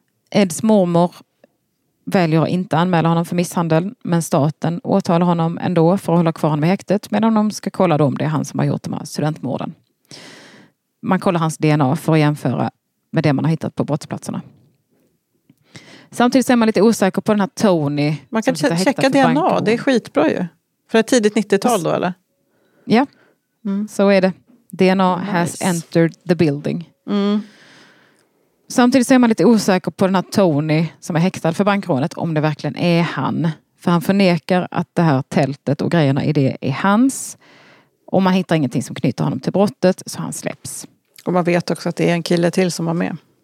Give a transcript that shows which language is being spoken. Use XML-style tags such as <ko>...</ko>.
<sv>Eds mormor väljer att inte anmäla honom för misshandel, men staten åtalar honom ändå för att hålla kvar honom i häktet medan de ska kolla om det är han som har gjort de här studentmorden. Man kollar hans DNA för att jämföra med det man har hittat på brottsplatserna. Samtidigt är man lite osäker på den här Tony. Man kan checka DNA, det är skitbra ju. För det är tidigt 90-tal då, eller? Ja, så är det.</sv> <en>DNA has entered the building. Mm.</en> <sv>Samtidigt är man lite osäker på den här Tony som är häktad för bankrånet, om det verkligen är han. För han förnekar att det här tältet och grejerna i det är hans. Och man hittar ingenting som knyter honom till brottet, så han släpps. Och man vet också att det är en kille till som var med.</sv>